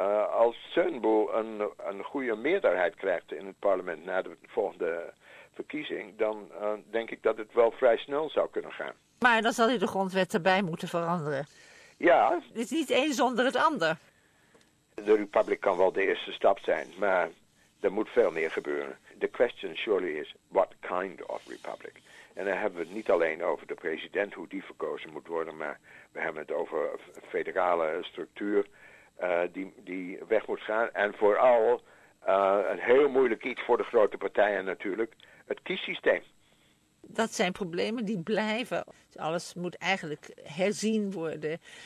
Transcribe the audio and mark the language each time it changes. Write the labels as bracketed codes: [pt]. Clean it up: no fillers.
[nl] Als Turnbull een goede meerderheid krijgt in het parlement na de volgende verkiezing, dan denk ik dat het wel vrij snel zou kunnen gaan. Maar dan zal hij de grondwet erbij moeten veranderen. Ja. Het is niet één zonder het ander. De republiek kan wel de eerste stap zijn, maar er moet veel meer gebeuren. [en] The question surely is, what kind of republic? [nl] En dan hebben we het niet alleen over de president, hoe die verkozen moet worden, maar we hebben het over federale structuur die weg moet gaan. En vooral een heel moeilijk iets voor de grote partijen natuurlijk, het kiessysteem. Dat zijn problemen die blijven. Alles moet eigenlijk herzien worden.